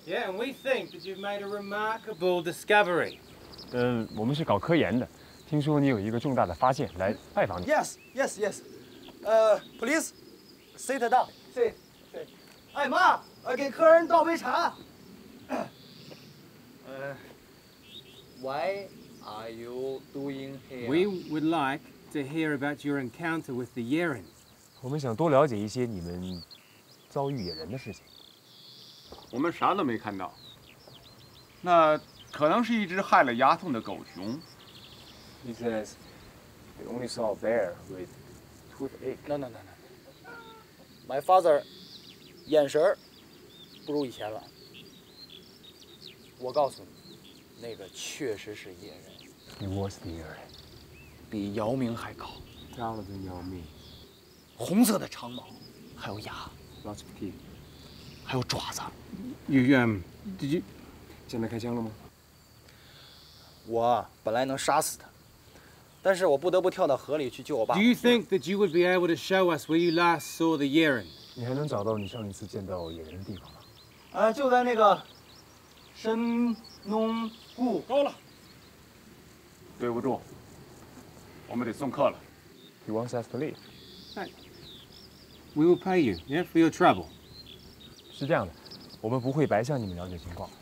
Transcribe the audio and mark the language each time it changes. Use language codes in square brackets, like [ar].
[en] Yeah, and we think that you've made a remarkable discovery. [zh] 我们是搞科研的，听说你有一个重大的发现，来拜访你。 [en] Yes. Please, sit down. Sit. [zh] 哎妈，给客人倒杯茶。 [en] Why are you doing here? We would like to hear about your encounter with the Yeren. [zh] 我们想多了解一些你们遭遇野人的事情。我们啥都没看到。那。可能是一只害了牙痛的狗熊。 [en] He says he only saw a bear with toothache. No. My father [zh] 眼神不如以前了。我告诉你，那个确实是野人。 [en] He was the Yeren. [zh] 比姚明还高。 [en] Taller than Yao Ming. [zh] 红色的长毛，还有牙。 [en] Lots of teeth. [zh] 还有爪子。 [en] Did you [zh] 现在开枪了吗？我本来能杀死他，但是我不得不跳到河里去救我爸。 [en] Do you think that you would be able to show us where you last saw the Yeren? [zh] 你还能找到你上一次见到野人的地方吗？就在那个Shennongjia。够了。对不住，我们得送客了。 [en] He wants us to leave. Hey, we will pay you, yeah, for your trouble. [zh] 是这样的，我们不会白向你们了解情况。